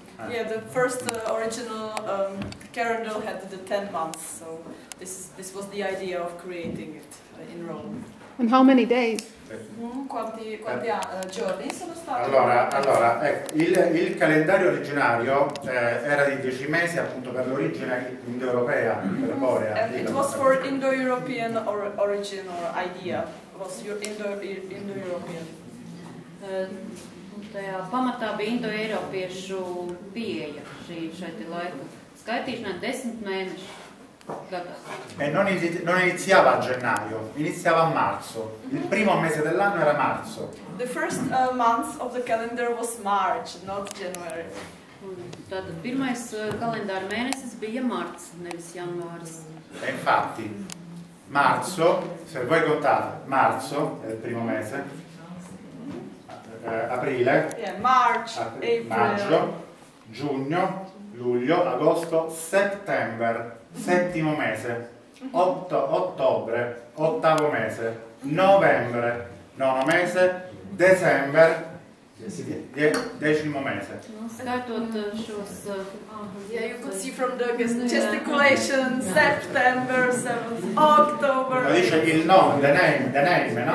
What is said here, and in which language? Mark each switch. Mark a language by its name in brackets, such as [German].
[English] Yeah, the first original calendar had the 10 months, so this was the idea of creating it in Rome. And how many days? [Italian] Quanti giorni sono stati? Allora, il calendario originario era di 10 mesi, appunto per l'origine indoeuropea, per Borea. [English] It was for Indo-European origin or idea. Was your Indo-European? [Latvian] Tajā pamatā bija indoeiropiešu pieeja šai te laiku. Skaitīšanā 10 mēneši gadā. [Italian] Non iniziava a gennaio, iniziava a marzo. Il primo mese dell'anno era marzo. [English] The first month of the calendar was March, not January. [Latvian] Tātad pirmais kalendāra mēnesis bija marts, nevis janvāris. [Italian] E infatti, marzo, se voi contate, marzo è il primo mese, aprile, [English] yeah, March, [Italian] maggio, giugno, luglio, agosto, settembre, settimo mese, ottobre, ottavo mese, novembre, nono mese, dicembre, decimo mese. [English] Yeah, you can see from the gesticulation, yeah. September, 7th, October. [Italian] Lo dice il nome, [English] the name, [Italian] no?